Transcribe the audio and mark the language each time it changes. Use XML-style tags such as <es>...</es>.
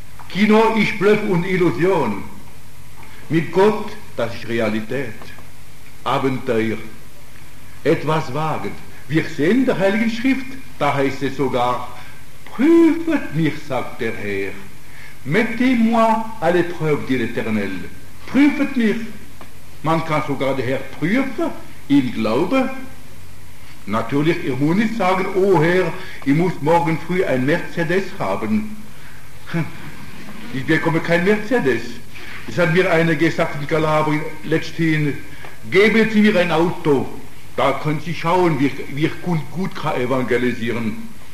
<de>Kino ist Bluff und Illusion. Mit Gott, das ist Realität. Abenteuer. Etwas wagen. Wir sehen in der Heiligen Schrift, da heißt es sogar, prüfet mich, sagt der Herr.</de> <fr>Mettez-moi à l'épreuve, dit l'Éternel.</fr> <de>Prüfet mich. Man kann sogar den Herr prüfen, im Glauben. Natürlich, ihr müsst nicht sagen, oh Herr, ich muss morgen früh ein Mercedes haben. Ich bekomme kein Mercedes. Das hat mir einer gesagt in Kalabrien letzthin, geben Sie mir ein Auto. Da können Sie schauen, wie ich gut kann evangelisieren.</de>